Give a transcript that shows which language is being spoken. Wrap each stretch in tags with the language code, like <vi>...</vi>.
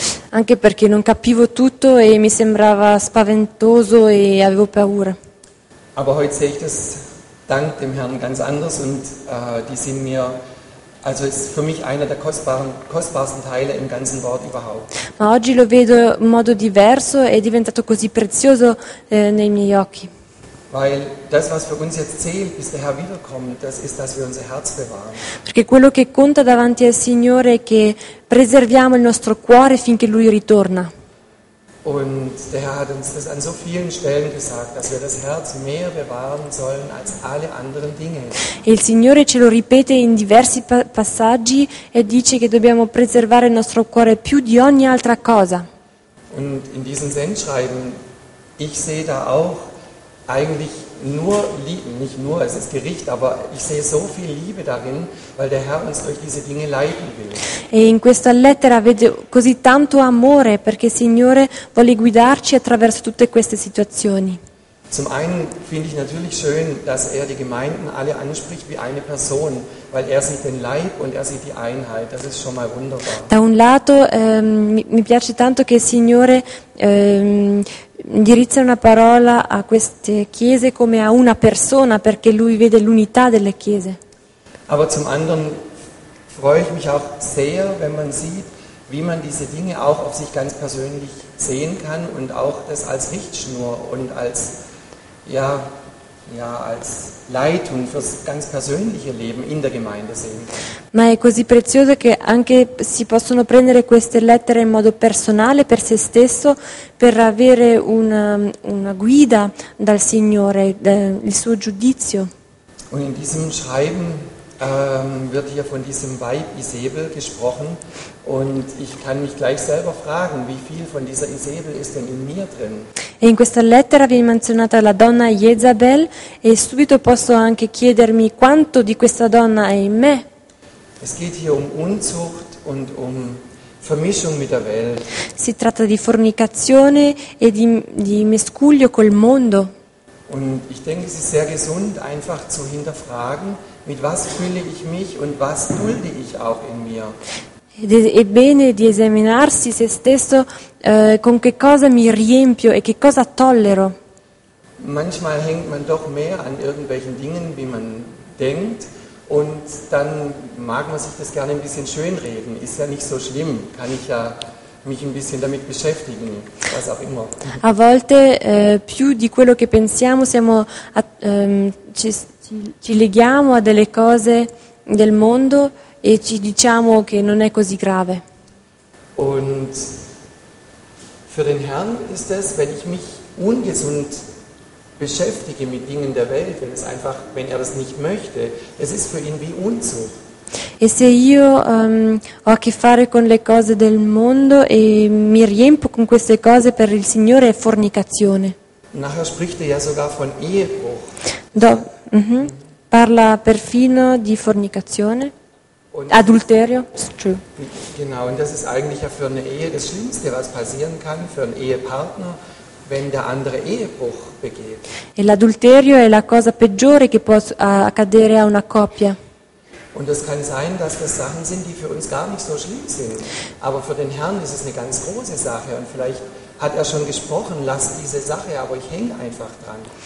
<it>anche perché non capivo tutto e mi sembrava spaventoso e avevo paura.</it> <de>Aber heute sehe ich das dank dem Herrn ganz anders und die sind mir, also ist für mich einer der kostbarsten Teile im ganzen Wort überhaupt.</de> <it>Ma oggi lo vedo in modo diverso e è diventato così prezioso nei miei occhi.</it> <de>Weil das, was für uns jetzt zählt, bis der Herr wiederkommt, das ist, dass wir unser Herz bewahren.</de> <it>Perché quello che conta davanti al Signore è che preserviamo il nostro cuore finché Lui ritorna.</it> <de>Und der Herr hat uns das an so vielen Stellen gesagt, dass wir das Herz mehr bewahren sollen als alle anderen Dinge.</de> <it>E il Signore ce lo ripete in diversi passaggi e dice che dobbiamo preservare il nostro cuore più di ogni altra cosa.</it> <de>Und in diesen Sendschreiben, ich sehe da auch eigentlich nur Liebe, nicht nur, es ist Gericht, aber ich sehe so viel Liebe darin, weil der Herr uns durch diese Dinge leiten will.</de> <it>E in questa lettera vedo così tanto amore, perché il Signore vuole guidarci attraverso tutte queste situazioni.</it> <de>Zum einen finde ich natürlich schön, dass er die Gemeinden alle anspricht wie eine Person, weil er sieht den Leib und er sieht die Einheit. Das ist schon mal wunderbar.</de> <it>Da un lato mi piace tanto che il Signore indirizza una parola a queste chiese come a una persona, perché lui vede l'unità delle chiese.</it> <de>Aber zum anderen freue ich mich auch sehr, wenn man sieht, wie man diese Dinge auch auf sich ganz persönlich sehen kann und auch das als Richtschnur und als als Leitung fürs ganz persönliche Leben in der Gemeinde sehen.</de> <it>Ma è così prezioso che anche si possono prendere queste lettere in modo personale per se stesso per avere una guida dal Signore, il suo giudizio.</it> <de>Und in diesem Schreiben wird hier von diesem Weib Isebel gesprochen und ich kann mich gleich selber fragen, wie viel von dieser Isebel ist denn in mir drin?</de> <it>E in questa lettera viene menzionata la donna Jezabel e subito posso anche chiedermi quanto di questa donna è in me.</it> <de>Es geht hier um Unzucht und um Vermischung mit der Welt.</de> <it>Si tratta di fornicazione e di mescuglio col mondo.</it> <de>Und ich denke, es ist sehr gesund, einfach zu hinterfragen, mit was fühle ich mich und was dulde ich auch in mir.</de> <it>È bene di esaminarsi se stesso con che cosa mi riempio e che cosa tollero.</it> <de>Manchmal hängt man doch mehr an irgendwelchen Dingen, wie man denkt, und dann mag man sich das gerne ein bisschen schönreden. Ist ja nicht so schlimm, kann ich ja mich ein bisschen damit beschäftigen, was auch immer.</de> <it>A volte più di quello che pensiamo siamo ci leghiamo a delle cose del mondo e ci diciamo che non è così grave.</it> <de>Und für den Herrn ist es, wenn ich mich ungesund beschäftige mit Dingen der Welt, wenn es einfach, wenn er das nicht möchte, es ist für ihn wie Unzucht.</de> <it>E se io ho a che fare con le cose del mondo e mi riempio con queste cose, per il Signore è fornicazione.</it> <de>Nachher spricht er ja sogar von Ehebruch.</de> <it>Parla perfino di fornicazione, adulterio.</it> <de>Genau, und das ist eigentlich ja für eine Ehe das Schlimmste, was passieren kann für einen Ehepartner, wenn der andere Ehebruch begeht.</de> <it>E l'adulterio è la cosa peggiore che può accadere a una coppia.</it> <de>Und es kann sein, dass das Sachen sind, die für uns gar nicht so schlimm sind. Aber für den Herrn ist es eine ganz große Sache. Und vielleicht hat er schon gesprochen, lass diese Sache, aber ich hänge einfach dran.</de>